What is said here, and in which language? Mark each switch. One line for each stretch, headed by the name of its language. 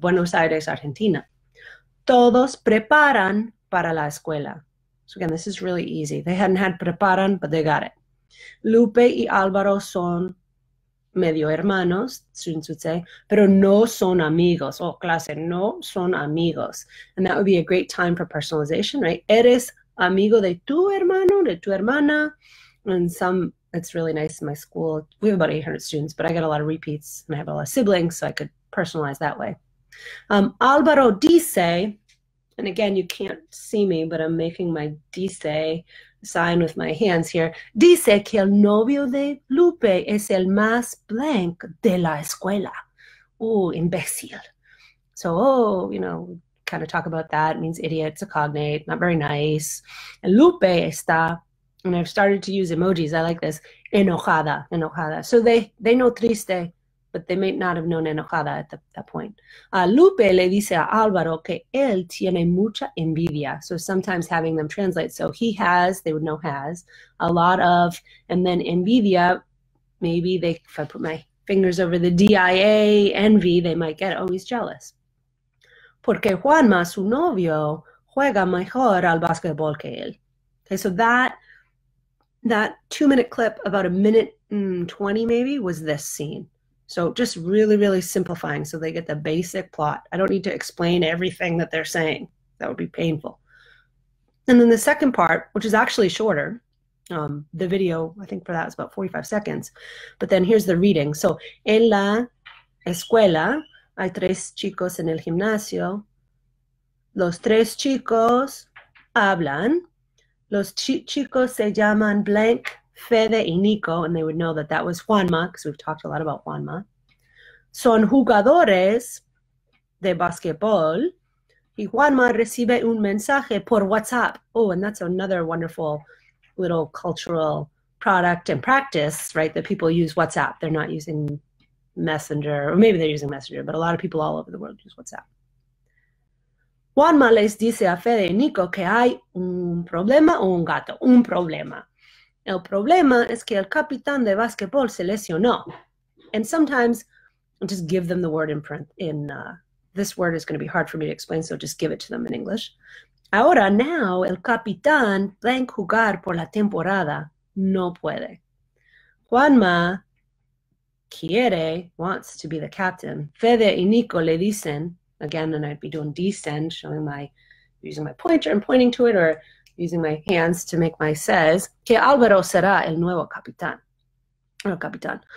Spanish: Buenos Aires, Argentina. Todos preparan para la escuela.
English: So again, this is really easy. They hadn't had preparan, but they got it.
Spanish: Lupe y Álvaro son medio hermanos,
English: students would say,
Spanish: pero no son amigos. Oh, clase, no son amigos.
English: And that would be a great time for personalization, right?
Spanish: Eres amigo de tu hermano, de tu hermana.
English: And some, it's really nice in my school. We have about 800 students, but I get a lot of repeats and I have a lot of siblings, so I could personalize that way.
Spanish: Álvaro dice,
English: And again, you can't see me, but I'm making my dice sign with my hands here.
Spanish: Dice que el novio de Lupe es el más blank de la escuela. Ooh, imbécil.
English: So, kind of talk about that. It means idiot, it's a cognate, not very nice. And
Spanish: Lupe está,
English: and I've started to use emojis, I like this, enojada. So they know triste, but they may not have known enojada at that point.
Spanish: Lupe le dice a Álvaro que él tiene mucha envidia.
English: So sometimes having them translate, so he has, they would know has, a lot of, and then envidia, maybe they, if I put my fingers over the D-I-A, envy, they might get, oh, he's jealous.
Spanish: Porque Juanma, su novio, juega mejor al basquetbol que él.
English: Okay, so that two-minute clip, about a minute 20 maybe, was this scene. So just really, really simplifying so they get the basic plot. I don't need to explain everything that they're saying. That would be painful. And then the second part, which is actually shorter, the video, I think for that was about 45 seconds. But then here's the reading.
Spanish: So en la escuela hay tres chicos en el gimnasio. Los tres chicos hablan. Los chicos se llaman Blank, Fede, y Nico.
English: And they would know that that was Juanma, because we've talked a lot about Juanma.
Spanish: Son jugadores de basquetbol. Y Juanma recibe un mensaje por WhatsApp.
English: Oh, and that's another wonderful little cultural product and practice, right, that people use WhatsApp. They're not using Messenger, or maybe they're using Messenger, but a lot of people all over the world use WhatsApp.
Spanish: Juanma les dice a Fede y Nico que hay un problema o un gato. Un problema. El problema es que el capitán de basquetbol se lesionó.
English: And sometimes, I'll just give them the word in print. This word is going to be hard for me to explain, so just give it to them in English.
Spanish: Ahora,
English: now,
Spanish: el capitán blank jugar por la temporada no puede.
English: Juanma wants to be the captain.
Spanish: Fede y Nico le dicen,
English: again, and I'd be doing descend, showing my, using my pointer and pointing to it, or using my hands to make my says,
Spanish: que Álvaro será el nuevo capitán. El capitán.